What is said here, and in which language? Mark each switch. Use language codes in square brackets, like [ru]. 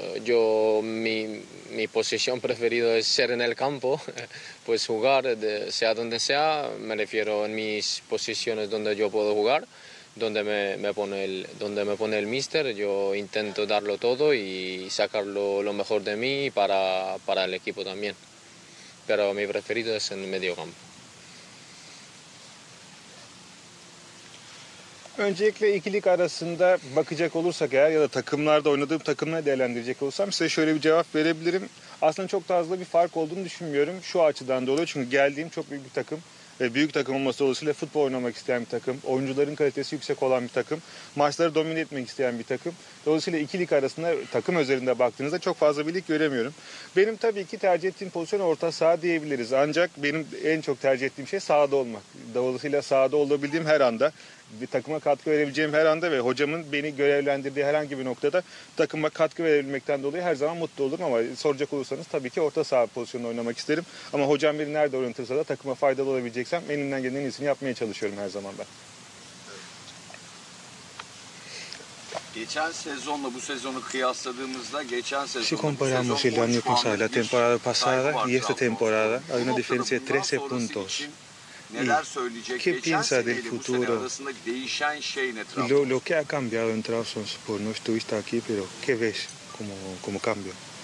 [es] Yo, mi posición preferida es ser en el campo, pues jugar sea donde sea, me refiero en mis posiciones donde yo puedo jugar, donde me pone el míster. Yo intento darlo todo y sacar lo mejor de mí para el equipo también. Pero mi preferido es en medio campo. [tr] Öncelikle ikilik arasında bakacak olursak eğer ya da takımlarda oynadığım takımları değerlendirecek olursam size şöyle bir cevap verebilirim. Aslında çok fazla bir fark olduğunu düşünmüyorum. Şu açıdan dolayı, çünkü geldiğim çok büyük bir takım ve büyük takım olması dolayısıyla futbol oynamak isteyen bir takım. Oyuncuların kalitesi yüksek olan bir takım. Maçları domine etmek isteyen bir takım. Dolayısıyla ikilik arasında takım özelinde baktığınızda çok fazla birlik göremiyorum. Benim tabii ki tercih ettiğim pozisyon orta saha diyebiliriz. Ancak benim en çok tercih ettiğim şey sahada olmak. Dolayısıyla sahada olabildiğim her anda, bir takıma katkı verebileceğim her anda ve hocamın beni görevlendirdiği herhangi bir noktada takıma katkı verebilmekten dolayı her zaman mutlu olurum. Ama soracak olursanız tabii ki orta saha pozisyonunda oynamak isterim. Ama hocam beni nerede oynatırsa da takıma faydalı olabileceksem elimden gelen en iyisini yapmaya çalışıyorum her zaman ben. Geçen sezonla bu sezonu kıyasladığımızda geçen sezon. [es] Si comparamos el año pasado, la temporada pasada y esta temporada, hay una diferencia de 13 puntos. [tr] Neler söyleyecek? [es] ¿Qué piensa del futuro? Şey lo que ha cambiado en Trabzonspor, no estuviste aquí, pero ¿qué ves como cambio?